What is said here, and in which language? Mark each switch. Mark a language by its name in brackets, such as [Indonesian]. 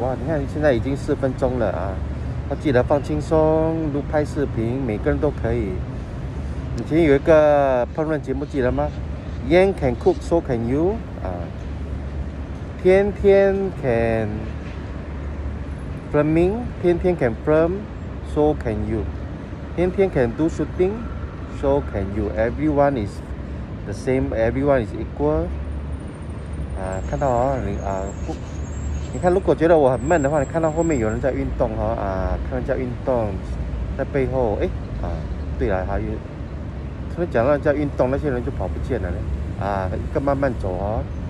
[Chinese] 哇，你看现在已经四分钟了啊，要记得放轻松，录拍视频，每个人都可以。以前有一个烹饪节目记得吗 ？ [English] Yan can cook, so can you [Chinese] 啊，天天 [English] can。 Flaming, 天天 can film, so can you. 天天 can do shooting, so can you. Everyone is the same, everyone is equal. [Chinese] 啊，看到啊、哦，你看，如果觉得我很闷的话，你看到后面有人在运动哈、哦、啊，看人家运动，在背后哎啊，对了，还有，怎么讲到人家运动，那些人就跑不见了呢？啊，一个慢慢走哦。